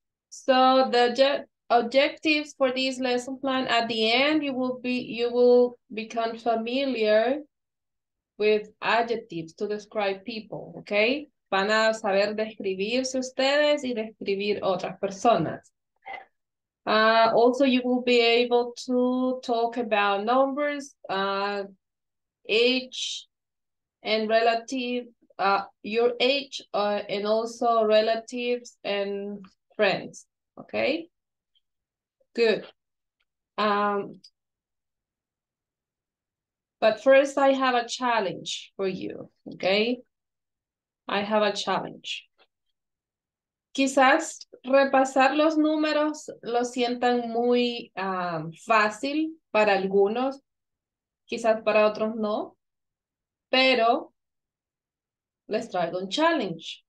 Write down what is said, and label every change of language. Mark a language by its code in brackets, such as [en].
[en] So the objectives for this lesson plan, at the end, you will become familiar with adjectives to describe people, okay? [es] Van a saber describirse ustedes y describir otras personas. [en] Also, you will be able to talk about numbers, age and relative, your age and also relatives and friends, okay? Good. But first, I have a challenge for you, okay? I have a challenge. [es] Quizás repasar los números lo sientan muy fácil para algunos, quizás para otros no, pero les traigo un challenge.